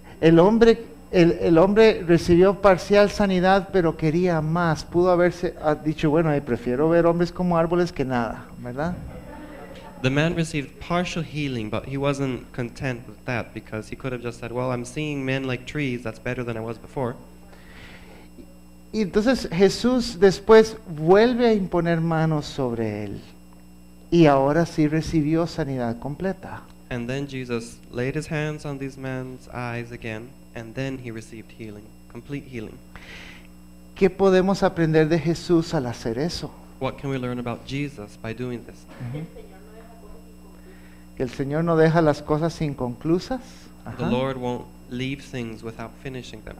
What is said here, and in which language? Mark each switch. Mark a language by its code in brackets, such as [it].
[es] El hombre recibió parcial sanidad, pero quería más. Pudo haberse dicho, bueno, prefiero ver hombres como árboles que nada, ¿verdad? [en] The man received partial healing, but he wasn't content with that because he could have just said, well, I'm seeing men like trees, that's better than I was before. [es] Y entonces Jesús después vuelve a imponer manos sobre él y ahora sí recibió sanidad completa. [en] And then Jesus laid his hands on these men's eyes again, and then he received healing, complete healing. [es] ¿Qué podemos aprender de Jesús al hacer eso? [en] What can we learn about Jesus by doing this? [es] El Señor no deja las cosas inconclusas. [en] The Lord won't leave things without finishing them.